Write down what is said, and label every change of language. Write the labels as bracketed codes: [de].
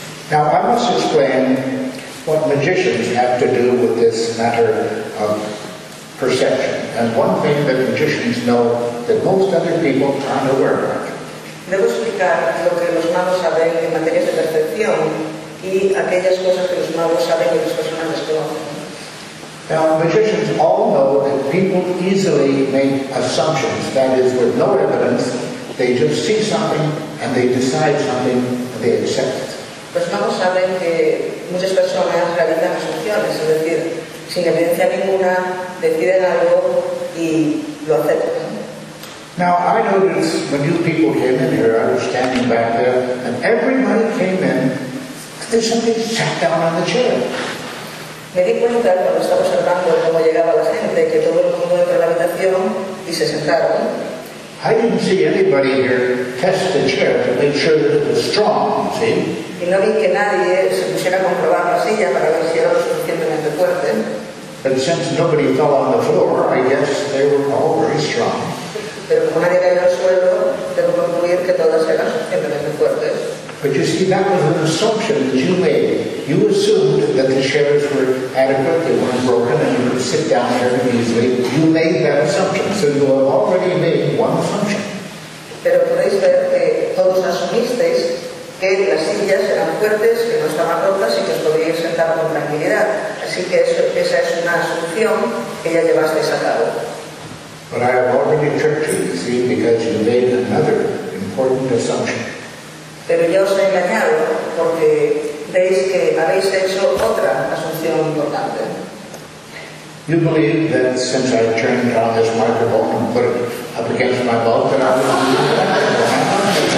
[en] Now I must explain what magicians have to do with this matter of perception. And one thing that magicians know that most other people aren't aware of. [es] Debo explicar lo que los magos saben en materia de percepción y aquellas cosas que los magos saben y las personas desconocen. [en] Now, magicians all know that people easily make assumptions. That is, with no evidence, they just see something and they decide something and they accept it. [es] Los magos saben que muchas personas realizan asunciones, es decir, sin evidencia ninguna, deciden algo y lo aceptan. [en] Now, I noticed when you people came in here, I was standing back there, and everybody came in, and then somebody sat down on the chair. [es] Me di cuenta cuando estaba observando cómo llegaba la gente, que todo el mundo entró a la habitación y se sentaron. [en] I didn't see anybody here test the chair to make sure that it was strong, see? [es] Y no vi que nadie se pusiera a comprobar la silla para ver si era lo suficientemente fuerte. [en] But since nobody fell on the floor, I guess they were all very strong. [es] Pero como nadie cayó al suelo, tengo que concluir que todas eran suficientemente fuertes. [en] But you see, that was an assumption that you made. You assumed that the chairs were adequate, they weren't broken, and you could sit down there easily. You made that assumption. So you have already made one assumption. [es] Pero podéis ver que todos asumisteis que las sillas eran fuertes, que no estaban rotas y que os podíais sentar con tranquilidad. Así que eso, esa es una asunción que ya llevasteis a cabo. [en] But I have already tricked you, you see, because you made another important assumption. [es] Pero yo os he engañado porque veis que habéis hecho otra asunción importante. [en] You believe that since I turned on this microphone and put it up against my mouth that I would do that.